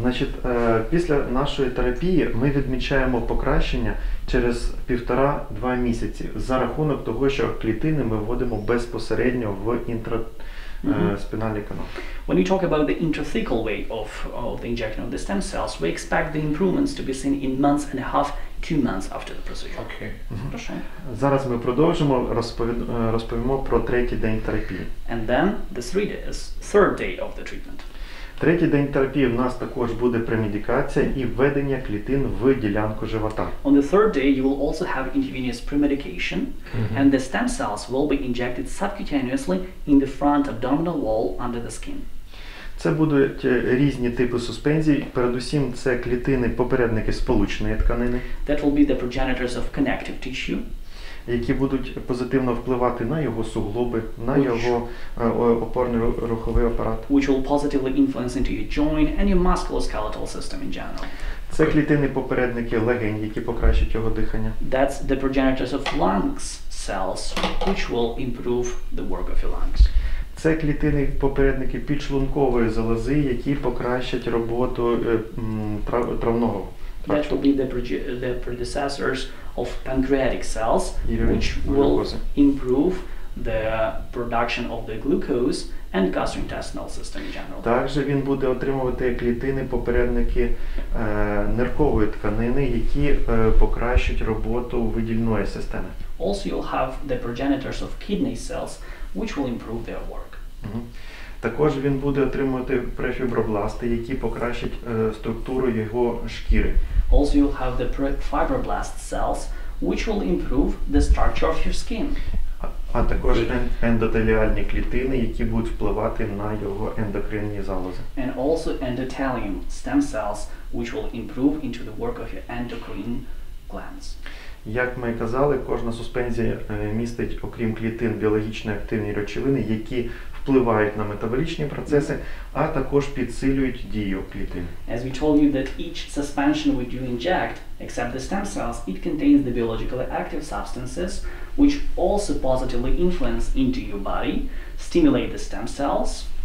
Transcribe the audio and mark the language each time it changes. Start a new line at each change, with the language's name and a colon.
Ukrainian: Значить, після нашої терапії ми відмічаємо покращення через 1.5-2 місяці за рахунок того, що клітини ми вводимо безпосередньо в інтраспінальний канал.
English: When you talk about the intrathecal way of the injection of the stem cells, we expect the improvements to be seen in months and a half, 2 months after the procedure. Okay.
Ukrainian: Зараз ми продовжимо розповімо про третій день терапії.
English: And then the third day of the treatment.
Ukrainian: Третій день терапії у нас також буде премедикація і введення клітин в ділянку живота.
English: On the third day you will also have intravenous premedication and the stem cells will be injected subcutaneously in the front abdominal wall under the skin.
Ukrainian: Це будуть різні типи суспензій, передусім це клітини попередники сполучної тканини.
English: That will be the progenitors of connective tissue.
Ukrainian: Які будуть позитивно впливати на його суглоби, на його опорний руховий апарат.
English: Which will positively influence into your joint and your musculoskeletal system in general.
Ukrainian: Це клітини-попередники легень, які покращать його дихання.
English: That's the progenitors of lungs cells, which will improve the work of your lungs.
Ukrainian: Це клітини-попередники підшлункової залози, які покращать роботу травного.
English: That will be the predecessors of pancreatic cells, which will improve the production of the glucose and gastrointestinal system in general.
Ukrainian: Також він буде отримувати клітини-попередники ниркової тканини, які покращать роботу видільної системи.
English: Also you'll have the progenitors of kidney cells, which will improve their work.
Ukrainian: Також він буде отримувати префібробласти, які покращать структуру його шкіри.
English: Also you'll have the fibroblast cells, which will improve the structure of your skin.
Ukrainian: А також ендотеліальні клітини, які будуть впливати на його ендокринні залози.
English: And also endothelium stem cells, which will improve into the work of your endocrine glands.
Ukrainian: Як ми казали, кожна суспензія містить, окрім клітин, біологічно активні речовини, які впливають на метаболічні процеси, а також підсилюють дію клітин.
English: As we told you that each suspension we do inject, except the stem cells, it contains the biologically active substances, which also positively influence into your body, stimulate the stem cells.